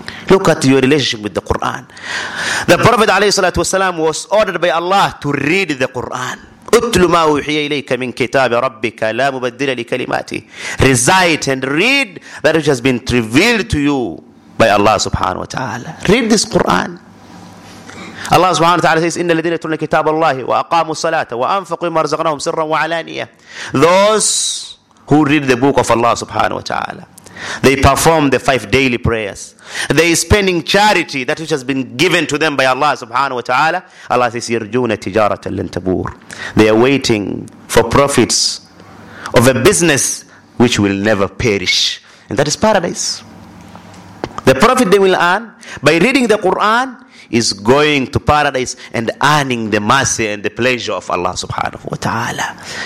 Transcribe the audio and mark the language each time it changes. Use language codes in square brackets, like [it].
[en] Look at your relationship with the Qur'an. The Prophet alayhi salatu wasalam was ordered by Allah to read the Qur'an. [ar] اُتْلُ مَا وُحِيَ إِلَيْكَ مِنْ كِتَابِ رَبِّكَ لَا مُبَدِّلَ لِكَلِمَاتِهِ. [en] Recite and read that which has been revealed to you by Allah subhanahu wa ta'ala. Read this Quran. [ar] Allah subhanahu wa ta'ala says, إِنَّ الَّذِينَ يَتْلُونَ كِتَابَ اللَّهِ وَأَقَامُوا الصَّلَاةَ وَأَنْفَقُوا مِمَّا رَزَقْنَاهُمْ سِرًّا وَعَلَانِيَةً. [en] Those who read the book of Allah subhanahu wa ta'ala, they perform the 5 daily prayers. They are spending charity, that which has been given to them by Allah subhanahu wa ta'ala. [ar] Allah says, يَرْجُونَ تِجَارَةً لَنْ تَبُورٍ. [en] They are waiting for profits of a business which will never perish. And that is paradise. The profit they will earn by reading the Quran is going to paradise and earning the mercy and the pleasure of Allah subhanahu wa ta'ala.